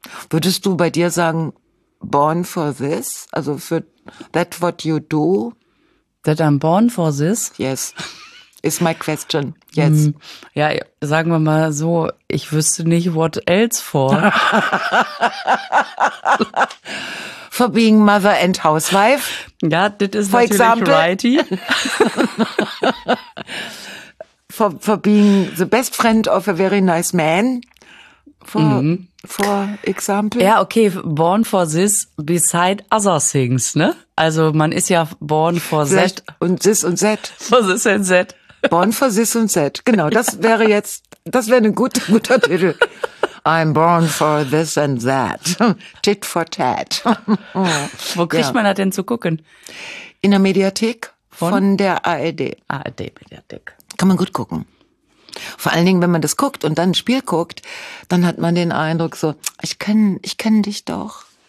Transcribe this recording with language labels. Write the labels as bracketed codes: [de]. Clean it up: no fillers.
[de] Würdest du bei dir sagen, [en] born for this, [de] also für [en] that what you do. That I'm born for this? Yes, is my question, yes. Mm, [de] ja, sagen wir mal so, ich wüsste nicht [en] what else for. For being mother and housewife? [de] Ja, das ist natürlich example. [en] Righty. For being the best friend of a very nice man? For example. Ja, okay, born for this beside other things, ne? [de] Also man ist ja [en] born for that. Und this und that. For this and that. Born for this and that. [de] Genau, das wäre jetzt, das wäre ein guter Titel. [en] I'm born for this and that. Tit for tat. [de] Wo kriegt man das denn zu gucken? In der Mediathek von der ARD. ARD-Mediathek. Kann man gut gucken. Vor allen Dingen, wenn man das guckt und dann ein Spiel guckt, dann hat man den Eindruck so, ich kenne dich doch.